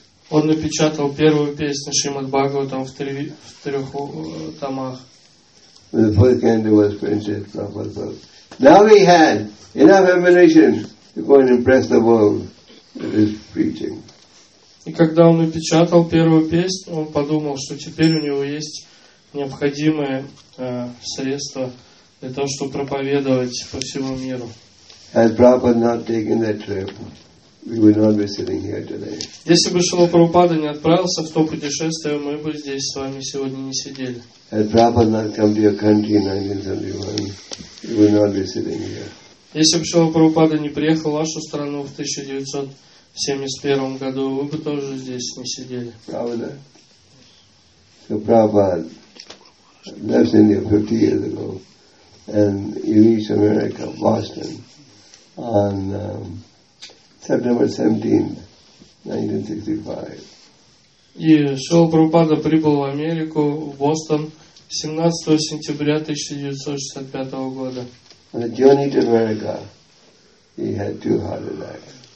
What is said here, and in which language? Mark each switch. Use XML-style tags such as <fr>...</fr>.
<ru>Он напечатал первую песню Шримад Бхагаватам в трех томах.</ru> <en>Now he had enough ammunition to go and impress the world with his preaching.</en> <ru>И когда он напечатал первую песню, он подумал, что теперь у него есть необходимые средства для того, чтобы проповедовать по всему миру.</ru> <en>Had Prabhupada not taken that trip, we would not be sitting here today.</en> <ru>Если бы Шрила Прабхупада не отправился в то путешествие, мы бы здесь с вами сегодня не сидели.</ru> <en>Had Prabhupada not come to your country in 1971, we would not be sitting here.</en> <ru>Если бы Шрила Прабхупада не приехал в вашу страну в 1971 году, вы бы тоже здесь не сидели. Правда?</ru> <en>So Prabhupada left India 50 years ago and he reached America, Boston, on September 17, 1965.</en> <ru>И Шрила Прабхупада прибыл в Америку, в Бостон, 17 сентября 1965 года.</ru> <en>On the journey to America, he had two heart attacks.</en>